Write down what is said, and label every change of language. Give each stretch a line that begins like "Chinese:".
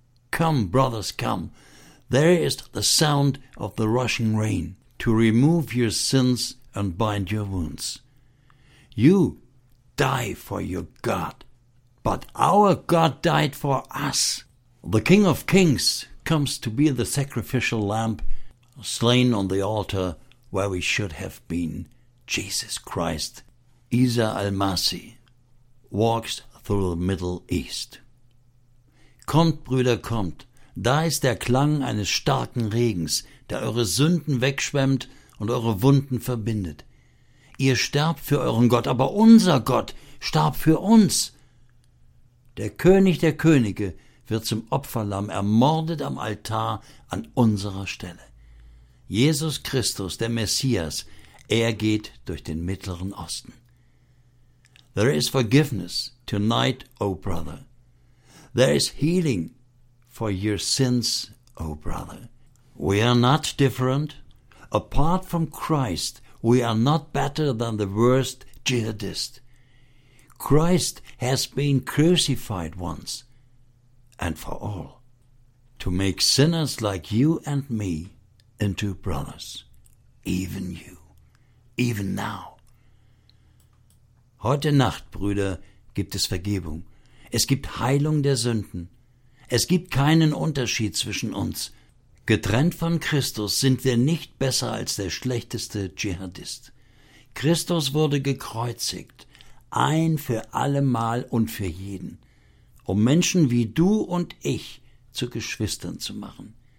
English: Come, brothers, come. There is the sound of the rushing rain to remove your sins and bind your wounds. You die for your God, but our God died for us. The King of Kings comes to be the sacrificial lamb slain on the altar where we should have been. Jesus Christ, Isa al-Masih, walks through the Middle East.
German: Kommt, Brüder, kommt. Da ist der Klang eines starken Regens, der eure Sünden wegschwemmt und eure Wunden verbindet. Ihr sterbt für euren Gott, aber unser Gott starb für uns. Der König der Könige wird zum Opferlamm ermordet am Altar an unserer Stelle. Jesus Christus, der Messias, er geht durch den Mittleren Osten.
English: There is forgiveness tonight, O brother. There is healing for your sins, O brother. We are not different. Apart from Christ, we are not better than the worst jihadist. Christ has been crucified once and for all to make sinners like you and me into brothers, even you. Even now.
German: Heute Nacht, Brüder, gibt es Vergebung. Es gibt Heilung der Sünden. Es gibt keinen Unterschied zwischen uns. Getrennt von Christus sind wir nicht besser als der schlechteste Dschihadist. Christus wurde gekreuzigt, ein für allemal und für jeden, um Menschen wie du und ich zu Geschwistern zu machen.